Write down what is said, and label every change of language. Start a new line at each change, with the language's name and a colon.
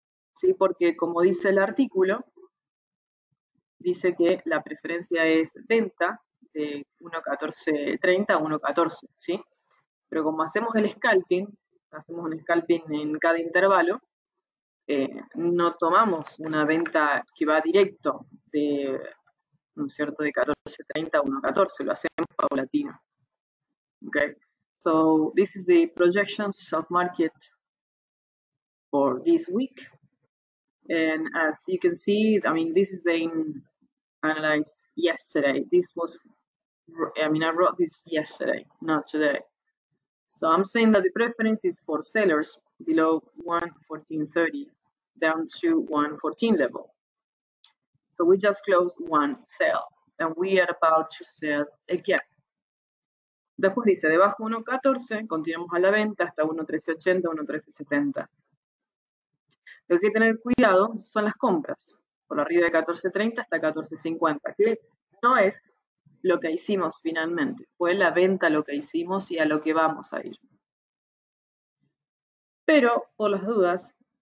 Spanish: Sí, porque como dice el artículo, dice que la preferencia es venta, de 1.1430 a 1.14, ¿sí? Pero como hacemos un scalping en cada intervalo, no tomamos una venta que va directo de, ¿no es cierto?, de 1.430 a 1.14, lo hacemos paulatino.
English: Okay. So, this is the projections of market for this week. And as you can see, this has been analyzed yesterday. This was I wrote this yesterday, not today. So I'm saying that the preference is for sellers below 1.1430, down to 1.14 level. So we just closed one sale, and we are about to sell again.
Spanish: Después dice, debajo 1.14, continuamos a la venta hasta 1.1380, 1.1370. Lo que hay que tener cuidado son las compras, por arriba de 14.30 hasta 14.50, que no es lo que hicimos finalmente, fue la venta lo que hicimos y a lo que vamos a ir. Pero, por las dudas,